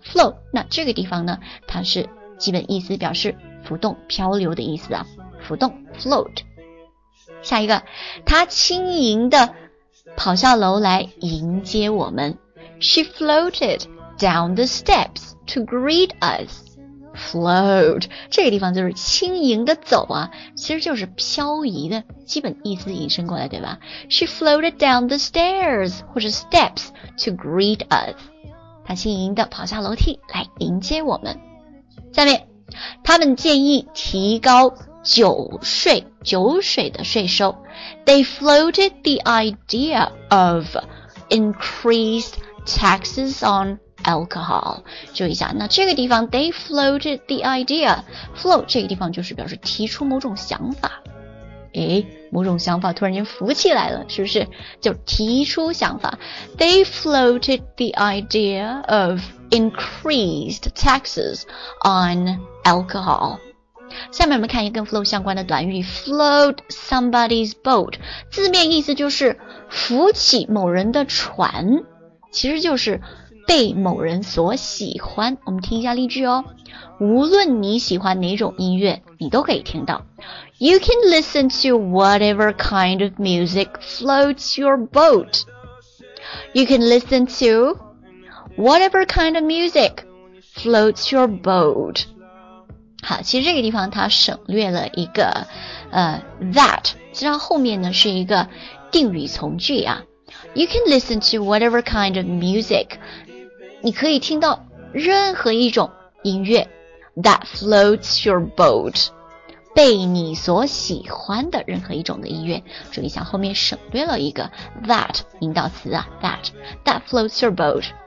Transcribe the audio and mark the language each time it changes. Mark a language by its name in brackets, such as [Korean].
[Chinese] Float， 那这个地方呢，它是基本意思表示浮动、漂流的意思啊。浮动 ，float。下一个，他轻盈地跑下楼来迎接我们。 [English] She floated down the steps to greet us. [Chinese] Float 这个地方就是轻盈的走啊，其实就是漂移的基本意思引申过来，对吧？ [English] She floated down the stairs [Chinese] 或者 [English] steps to greet us， [Chinese] 她轻盈的跑下楼梯来迎接我们。下面，他们建议提高酒水的税收。 [English] They floated the idea of increased taxes onAlcohol， [Chinese] 注意一下，那这个地方 [English] they floated the idea， [Chinese] float 这个地方就是表示提出某种想法，诶，某种想法突然间浮起来了，是不是？就提出想法。 [English] They floated the idea of increased taxes on alcohol。 [Chinese] 下面我们看一个跟 float 相关的短语， [English] float somebody's boat， [Chinese] 字面意思就是浮起某人的船，其实就是被某人所喜欢。我们听一下例句哦。无论你喜欢哪种音乐，你都可以听到。 [English] You can listen to whatever kind of music floats your boat. You can listen to whatever kind of music floats your boat. [Chinese] 好，其实这个地方它省略了一个that， 其实后面呢是一个定语从句啊。 [English] You can listen to whatever kind of music. [Chinese] 你可以听到任何一种音乐 [English] that floats your boat， [Chinese] 被你所喜欢的任何一种的音乐。注意一下后面省略了一个 that 引导词啊， [English] that floats your boat。